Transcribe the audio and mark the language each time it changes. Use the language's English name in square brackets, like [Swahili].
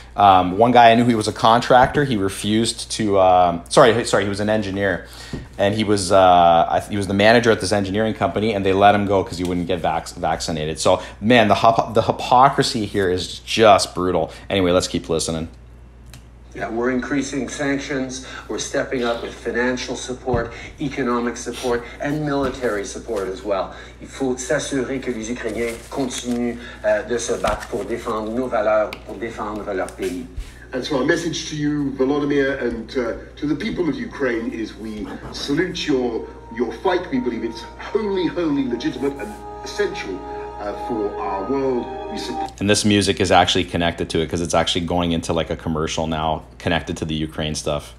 [English] One guy I knew, he was a contractor. He refused to, he was an engineer, and he was the manager at this engineering company, and they let him go because he wouldn't get vaccinated. So, man, the hypocrisy here is just brutal. Anyway, let's keep listening. "Yeah, we're increasing sanctions. We're stepping up with financial support, economic support, and military support as well. [French] Il faut s'assurer que les Ukrainiens continuent de se battre pour défendre nos valeurs, pour défendre leur pays." [English] "And so our message to you, Volodymyr, and to the people of Ukraine is we salute your fight. We believe it's wholly, wholly legitimate and essential for our world. And this music is actually connected to it because it's actually going into like a commercial now connected to the Ukraine stuff.